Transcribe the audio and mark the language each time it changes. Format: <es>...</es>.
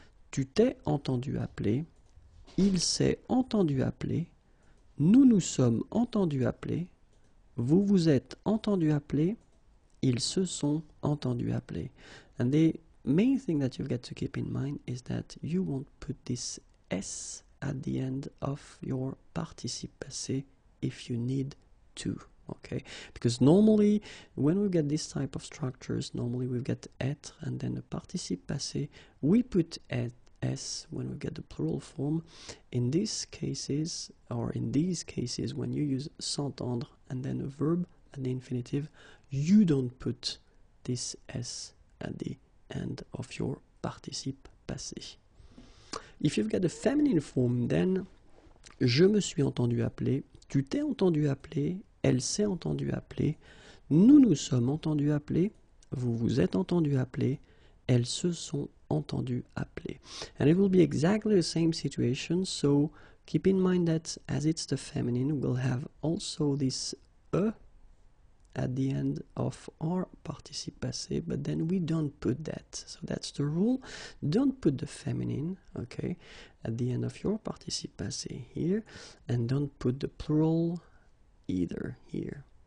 <fr>Tu t'es entendu appeler, il s'est entendu appeler, nous nous sommes entendus appeler, vous vous êtes entendu appeler, ils se sont entendus appeler.</fr> <en>And the main thing that you've got to keep in mind is that you won't put this S at the end of your participe passé if you need to. Okay, because normally when we get this type of structures, normally we've got être and then the participe passé, we put être. S when we get the plural form. In these cases, or in these cases, when you use s'entendre and then a verb and the infinitive, you don't put this S at the end of your participe passé. If you've got a feminine form, then</en> <fr>je me suis entendu appeler, tu t'es entendu appeler, elle s'est entendu appeler, nous nous sommes entendu appeler, vous vous êtes entendu appeler, elles se sont entendu appeler.</fr> <en>And it will be exactly the same situation, so keep in mind that as it's the feminine, we'll have also this E at the end of our participe passé, but then we don't put that. So that's the rule. Don't put the feminine, okay, at the end of your participe passé here, and don't put the plural either here.</en>